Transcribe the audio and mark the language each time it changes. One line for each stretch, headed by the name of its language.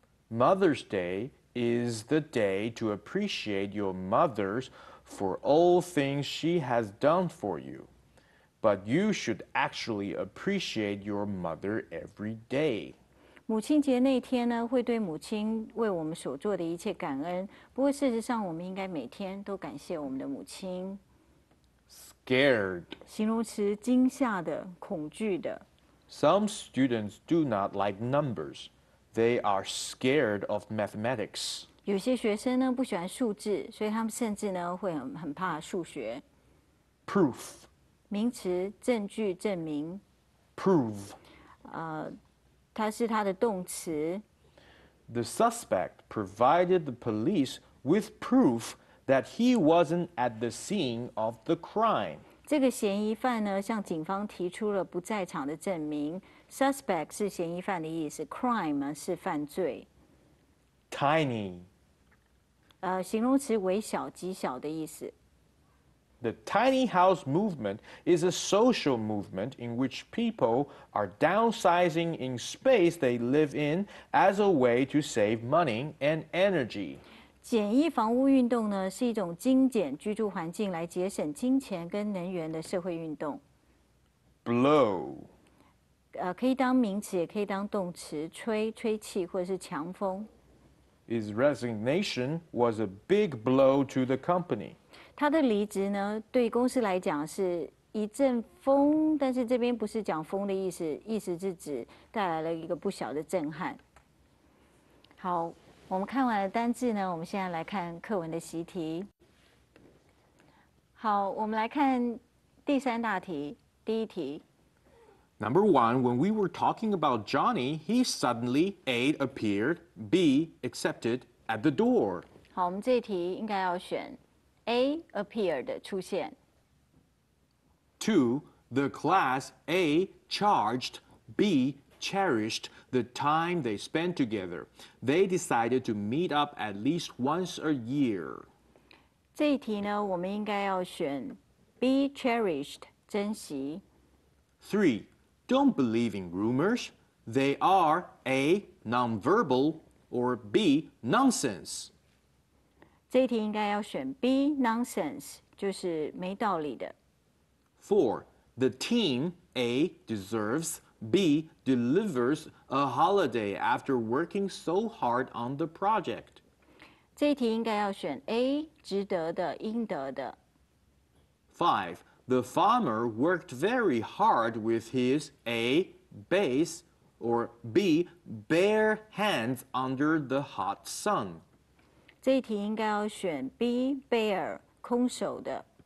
English: Mother's Day is the day to appreciate your mother's for all things she has done for you. But you should actually appreciate your mother every day.
Chinese: 母亲节那天呢，会对母亲为我们所做的一切感恩。不过事实上，我们应该每天都感谢我们的母亲。
English: Scared.
Chinese: 形容词，惊吓的，恐惧的。
English: Some students do not like numbers. They are scared of mathematics.
Chinese: 有些学生呢，不喜欢数字，所以他们甚至呢，会很怕数学。
English: Proof.
Chinese: 名词，证据，证明。
English: Prove。
Chinese: 它是它的动词。
English: The suspect provided the police with proof that he wasn't at the scene of the crime。
Chinese: 这个嫌疑犯呢，向警方提出了不在场的证明。 Suspect 是嫌疑犯的意思 ，crime 是犯罪。
English: Tiny。
Chinese: 形容词，微小、极小的意思。
English: The tiny house movement is a social movement in which people are downsizing in space they live in as a way to save money and energy.
Chinese: 简易房屋运动呢是一种精简居住环境来节省金钱跟能源的社会运动。
English: Blow.
Chinese: 可以当名词也可以当动词吹吹气或者是强风。
English: His resignation was a big blow to the company.
Chinese: 他的离职呢，对公司来讲是一阵风，但是这边不是讲风的意思，意思是指带来了一个不小的震撼。好，我们看完了单字呢，我们现在来看课文的习题。好，我们来看第三大题，第一题。
English: Number one, when we were talking about Johnny, he suddenly A appeared, B accepted at the door.
Chinese: 好，我们这题应该要选。A appeared, 出现。
English: Two, the class A charged, B cherished the time they spent together. They decided to meet up at least once a year.
Chinese: 这一题呢，我们应该要选 B cherished, 珍惜。
English: Three, don't believe in rumors. They are A nonverbal or B nonsense.
Chinese: 这一题应该要选 B, nonsense, 就是没道理的。
English: Four, the team A deserves, B delivers a holiday after working so hard on the project.
Chinese: 这一题应该要选 A, 值得的，应得的。
English: Five, the farmer worked very hard with his A, base, or B, bare hands under the hot sun.
Chinese: 这一题应该要选 B, bear, 空手的。